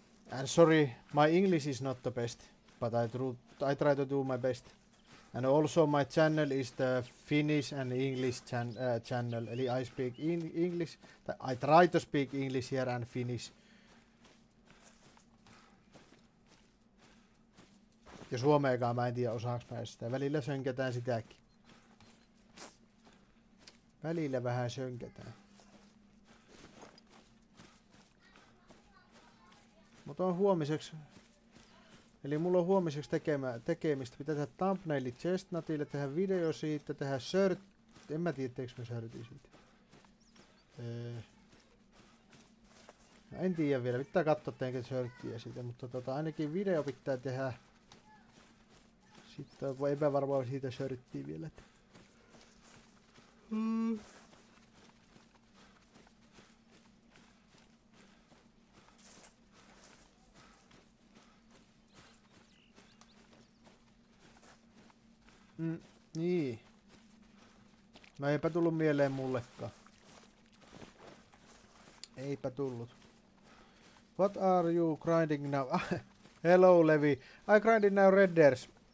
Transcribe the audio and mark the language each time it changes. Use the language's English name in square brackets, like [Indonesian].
[English] And sorry, my English is not the best, but I try to do my best. And also my channel is the Finnish and English channel. Eli I speak in English. I try to speak English here and Finnish. [Finnish] Ja suomeakaan mä en tiedä osaanko mä sitä. Välillä sönketään sitäkin. Välillä vähän sönketään. Mutta on huomiseksi. Eli mulla on huomiseksi tekemistä. Pitää tehdä thumbnaili chestnutille, tehdä video siitä, tehdä shirt. En mä tiedä, teekö mä shirtin siitä. No en tiedä vielä, pitää katsoa teenkö shirtia siitä, mutta ainakin video pitää tehdä. Sitten on epävarmaa siitä shirtia vielä. Niin. No eipä tullut mieleen mullekaan. Eipä tullut. [English] What are you grinding now? Hello Levi. I grinding now red deers.